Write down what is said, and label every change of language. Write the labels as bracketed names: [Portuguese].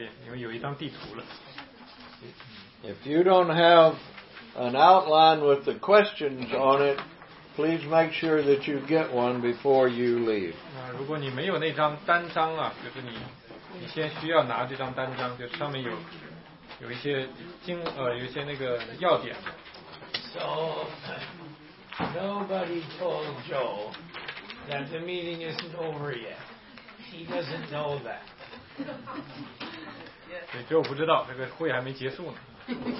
[Chinese] 那我们今天先停在这儿，下一周我们会继续啊。今天把上一周的东西都看了一遍，因为有一张地图了。 [English] If you don't have an outline with the questions on it, please make sure that you get one before you leave. [Chinese] 那如果你没有那张单张啊，就是你先需要拿这张单张，就上面有。有一些经有一些那个要点。 [English] So nobody told Joe that the meeting isn't over yet. He doesn't know that. [Chinese] 对 ，Joe 不知道这个会还没结束呢。